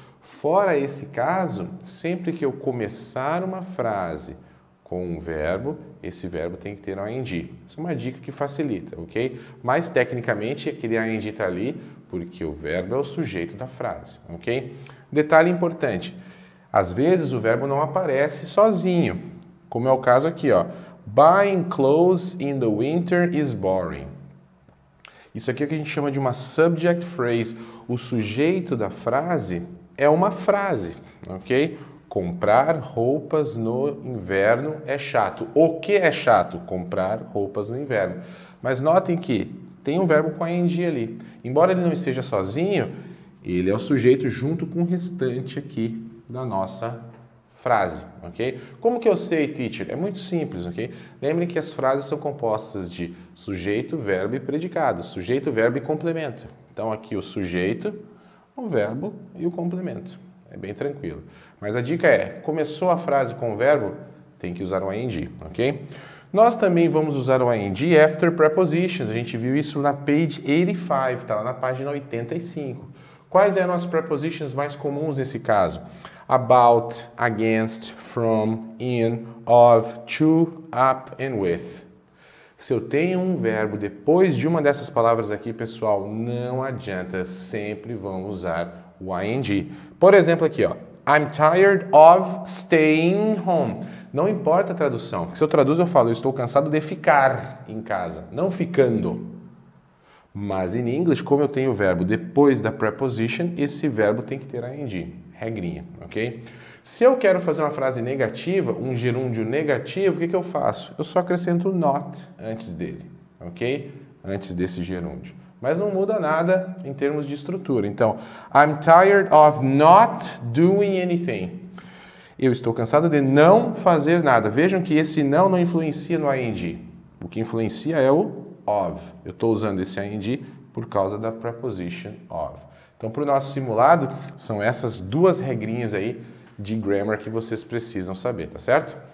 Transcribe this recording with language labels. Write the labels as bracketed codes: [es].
[pt] Fora esse caso, sempre que eu começar uma frase com um verbo, esse verbo tem que ter um ing. Isso é uma dica que facilita, ok? Mas, tecnicamente, aquele ing está ali porque o verbo é o sujeito da frase, ok? Detalhe importante. Às vezes, o verbo não aparece sozinho, como é o caso aqui, ó. [en] Buying clothes in the winter is boring. [pt] Isso aqui é o que a gente chama de uma subject phrase. O sujeito da frase é uma frase, ok? Comprar roupas no inverno é chato. O que é chato? Comprar roupas no inverno. Mas notem que tem um verbo com ing ali. Embora ele não esteja sozinho, ele é o sujeito junto com o restante aqui da nossa frase, ok? Como que eu sei, teacher? É muito simples, ok? Lembrem que as frases são compostas de sujeito, verbo e predicado. Sujeito, verbo e complemento. Então, aqui o sujeito, o verbo e o complemento. É bem tranquilo. Mas a dica é, começou a frase com o verbo, tem que usar o ing, ok? Nós também vamos usar o ing [en] after prepositions. [pt] A gente viu isso na [en] page 85, [pt] tá lá na página 85. Quais eram as prepositions mais comuns nesse caso? [en] About, against, from, in, of, to, up, and with. [pt] Se eu tenho um verbo depois de uma dessas palavras aqui, pessoal, não adianta, sempre vão usar o ing. Por exemplo aqui, ó, [en] I'm tired of staying home. [pt] Não importa a tradução, se eu traduzo eu falo, eu estou cansado de ficar em casa, não ficando. Mas em inglês, como eu tenho o verbo depois da preposition, esse verbo tem que ter ing, regrinha, ok? Se eu quero fazer uma frase negativa, um gerúndio negativo, o que, que eu faço? Eu só acrescento not antes dele, ok? Antes desse gerúndio. Mas não muda nada em termos de estrutura. [en] Então, I'm tired of not doing anything. [pt] Eu estou cansado de não fazer nada. Vejam que esse não influencia no ing. O que influencia é o of. Eu estou usando esse ing por causa da preposition of. Então, para o nosso simulado, são essas duas regrinhas aí de grammar que vocês precisam saber, tá certo?